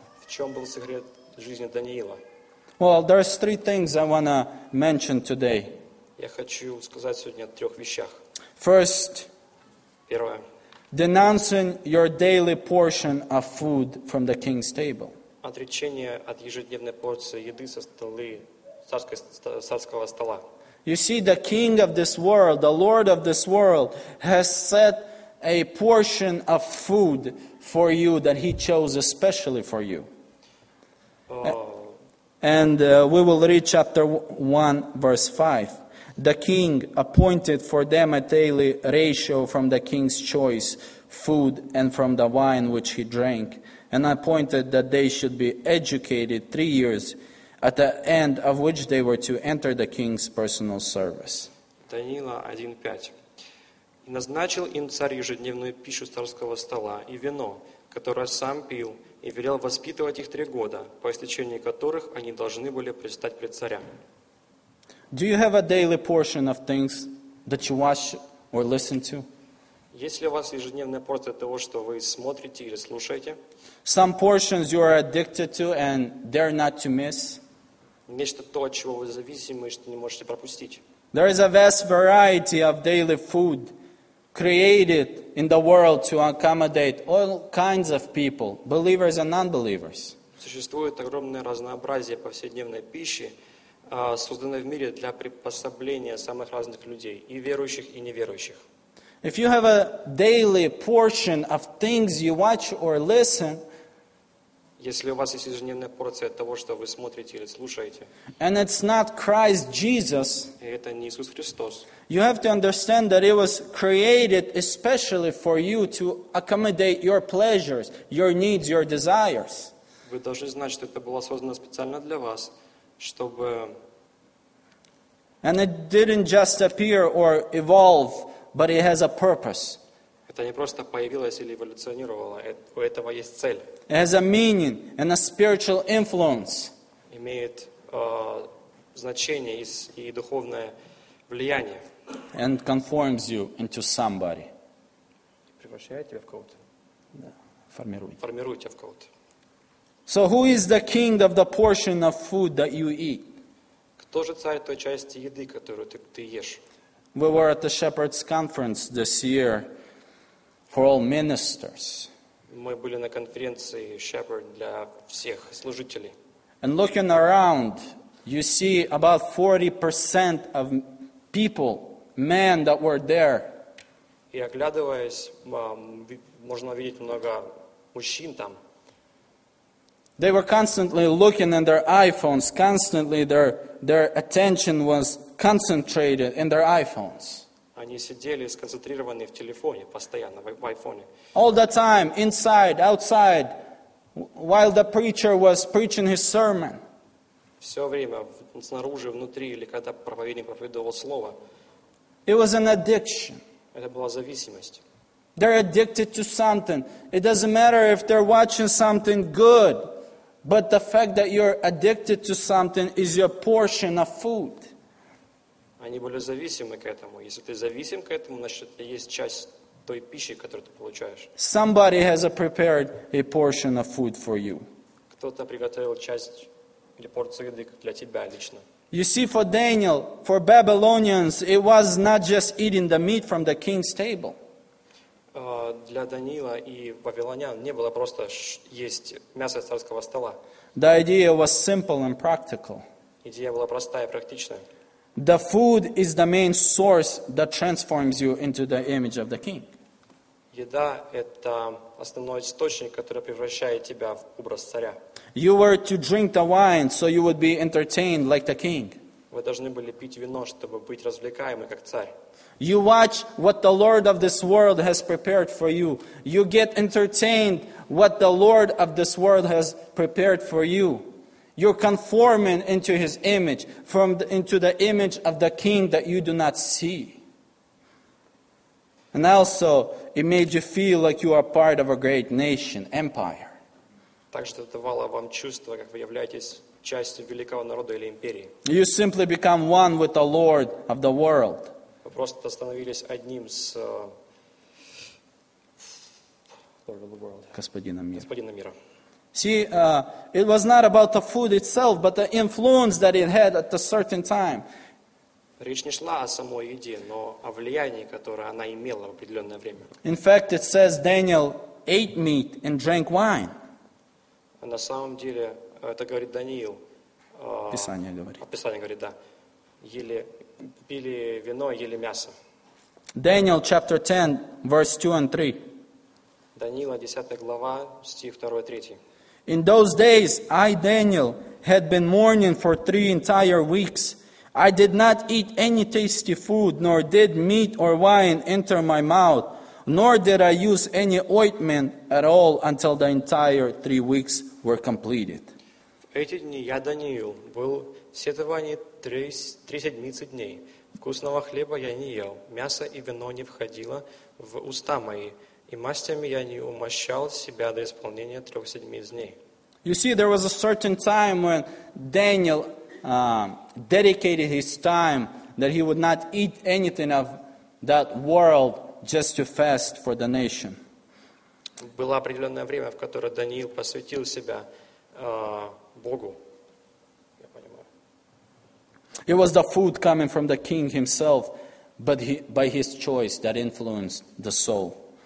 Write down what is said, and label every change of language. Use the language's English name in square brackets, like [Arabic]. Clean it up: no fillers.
[Russian] В чем был секрет жизни Даниила? [English] Well, there's three things I want to mention today. [Russian] Я хочу сказать сегодня о трех вещах. [English] First, [Russian] первое. [English] Denouncing your daily portion of food from the king's table. [Russian] Отречение от ежедневной порции еды со столы царского стола. [English] You see, the king of this world, the lord of this world, has set a portion of food for you that he chose especially for you. And we will read chapter 1, verse 5. The king appointed for them a daily ratio from the king's choice food and from the wine which he drank, and appointed that they should be educated 3 years, at the end of which they were to enter the king's personal service. [Russian] Даниила 1:5. Назначил им царь ежедневную пищу царского стола и вино, которое сам пил, и велел воспитывать их 3 года, по истечении которых они должны были предстать пред царем. [English] Do you have a daily portion of things that you watch or listen to? [Russian] Есть ли у вас ежедневная порция того, что вы смотрите или слушаете? [English] Some portions you are addicted to and dare not to miss. [Russian] Нечто то, от чего вы зависимы и что не можете пропустить. [English] There is a vast variety of daily food created in the world to accommodate all kinds of people, believers and non-believers. [Russian] Существует огромное разнообразие повседневной пищи, созданной в мире для приспособления самых разных людей, и верующих, и неверующих. [English] If you have a daily portion of things you watch or listen, [Russian] Если у вас есть ежедневная порция того, что вы смотрите или слушаете, [English] and it's not Christ Jesus, [Russian] и это не Иисус Христос, [English] you have to understand that it was created especially for you to accommodate your pleasures, your needs, your desires. [Russian] Вы должны знать, что это было создано специально для вас, чтобы... [English] And it didn't just appear or evolve, but it has a purpose. [Russian] Это не просто появилось или эволюционировало. У этого есть цель. [English] It has a meaning and a spiritual influence. [Russian] Имеет значение и духовное влияние. [English] And conforms you into somebody. [Russian] Превращает тебя в кого-то. Да. Формирует. Формирует тебя в кого-то. [English] So who is the king of the portion of food that you eat? [Russian] Кто же царь той части еды, которую ты ешь? [English] We were at the Shepherd's Conference this year for all ministers. [Russian] Мы были на конференции Shepherd для всех служителей. [English] And looking around, you see about 40% of people, men that were there. [Russian] И оглядываясь, можно видеть много мужчин там. [English] They were constantly looking in their iPhones, constantly their attention was concentrated in their iPhones. [Russian] Они сидели сконцентрированные в телефоне, постоянно в iPhone. [English] All the time, inside, outside, while the preacher was preaching his sermon. [Russian] Все время, снаружи, внутри, или когда проповедник проповедовал слово. [English] It was an addiction. [Russian] Это была зависимость. [English] They're addicted to something. It doesn't matter if they're watching something good. But the fact that you're addicted to something is your portion of food. [Russian] Они были зависимы к этому. Если ты зависим к этому, значит, это есть часть той пищи, которую ты получаешь. [English] Somebody has prepared a portion of food for you. [Russian] Кто-то приготовил часть или порцию еды для тебя лично. [English] You see, for Daniel, for Babylonians, it was not just eating the meat from the king's table. [Russian] Для Даниила и вавилонян не было просто есть мясо с царского стола. [English] The idea was simple and practical. [Russian] Идея была простая и практичная. [English] The food is the main source that transforms you into the image of the king. [Russian] Еда – это основной источник, который превращает тебя в образ царя. [English] You were to drink the wine so you would be entertained like the king. [Russian] Вы должны были пить вино, чтобы быть развлекаемы как царь. [English] You watch what the Lord of this world has prepared for you. You get entertained what the Lord of this world has prepared for you. You're conforming into His image, into the image of the King that you do not see. And also, it made you feel like you are part of a great nation, empire. [Russian] Также это давало вам чувство, как вы являетесь частью великого народа или империи. [English] You simply become one with the Lord of the world. [Russian] Просто становились одним с Господином мира. [English] See, it was not about the food itself, but the influence that it had at a certain time. [Russian] Речь не шла о самой еде, но о влиянии, которое она имела в определенное время. [English] In fact, it says Daniel ate meat and drank wine. [Russian] На самом деле, это говорит Даниил. Писание говорит. Писание говорит, да. Ели... Пили вино, ели мясо. [English] Daniel chapter 10, verse 2 and 3. [Russian] Даниила, 10 глава, стих 2 и 3. [English] In those days, I, Daniel, had been mourning for 3 entire weeks. I did not eat any tasty food, nor did meat or wine enter my mouth, nor did I use any ointment at all until the entire 3 weeks were completed. [Russian] В эти дни я, Даниил, был в сетовании три седмицы дней. Вкусного хлеба я не ел, мясо и вино не входило в уста мои, и мастями я не умощал себя до исполнения 3 седмиц дней. [English] You see, there was a certain time when Daniel dedicated his time that he would not eat anything of that world just to fast for the nation. [Russian] Было определенное время, в которое Даниил посвятил себя Богу. [English] It was the food coming from the king himself, but by his choice that influenced the soul.